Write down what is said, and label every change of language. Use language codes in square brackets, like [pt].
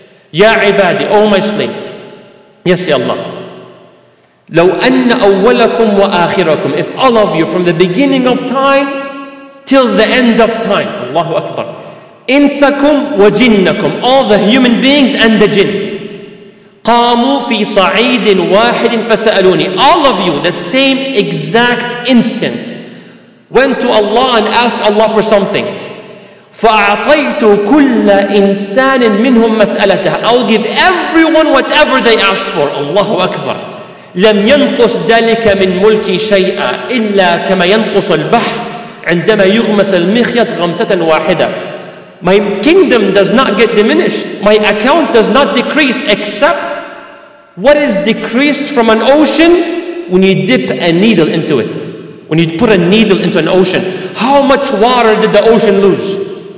[ar] Ya ibadi, [en] O my slave. Yes, Ya Allah. [ar] لو أن أولكم وآخركم. [en] If all of you from the beginning of time till the end of time, Allahu Akbar. [ar] إنسكم وجنكم. [en] All the human beings and the jinn. [ar] قاموا في صعيد واحد فسألوني. [en] All of you, the same exact instant, went to Allah and asked Allah for something. [ar] فأعطيت كل إنسان منهم مسألته. [en] I'll give everyone whatever they asked for. [ar] Allahu Akbar. لم ينقص ذلك من ملكي شيئا إلا كما ينقص البحر عندما يغمس المخيط غمسة واحدة. [en] My kingdom does not get diminished. My account does not decrease except what is decreased from an ocean when you dip a needle into it. When you put a needle into an ocean. How much water did the ocean lose?